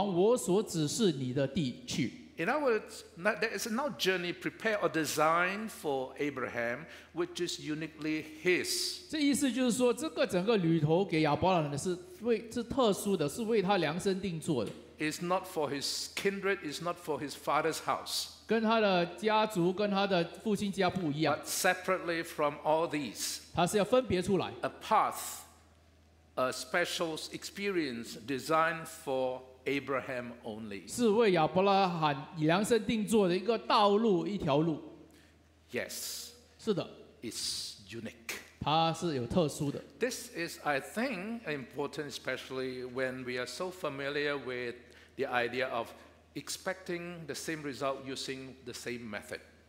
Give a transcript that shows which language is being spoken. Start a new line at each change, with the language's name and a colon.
Chinese: 你要离开本地本族，父家，往我所指示你的地去。
English: In other words, there is no journey prepared or designed for Abraham, which is uniquely his.
Chinese: 这意思就是说, 这个整个旅途给亚伯兰的是为, 是特殊的, 是为他量身定做的。
English: It's not for his kindred, it's not for his father's house.
Chinese: 跟他的家族, 跟他的父亲家不一样。
English: But separately from all these.
Chinese: 他是要分别出来。
English: A path, a special experience designed for Abraham only.
Chinese: 是为亚伯拉罕量身定做的一个道路，一条路。
English: Yes.
Chinese: 是的。
English: It's unique.
Chinese: 它是有特殊的。
English: This is, I think, important, especially when we are so familiar with the idea of expecting the same result using the same method.